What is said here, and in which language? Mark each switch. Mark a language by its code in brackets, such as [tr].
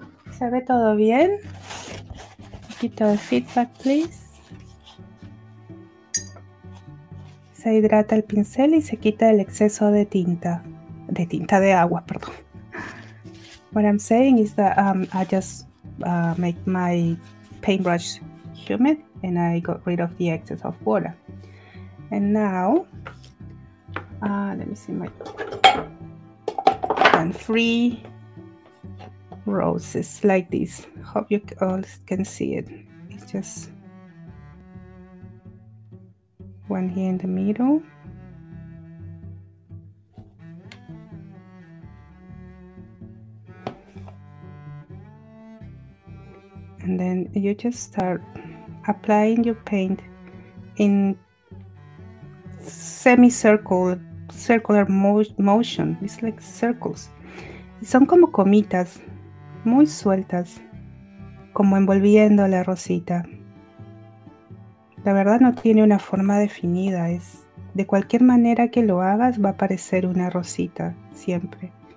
[es] ¿Se ve todo bien? De feedback, se hidrata el pincel y se quita el exceso de tinta, de agua, perdón. [en] What I'm saying is that I just make my paintbrush humid and I got rid of the excess of water. And now, let me see my and three roses like this. Hope you all can see it. Just one here in the middle, and then you just start applying your paint in circular motion. It's like circles. [es] Son como comitas, muy sueltas, como envolviendo la rosita. La verdad no tiene una forma definida, es de cualquier manera que lo hagas va a parecer una rosita siempre.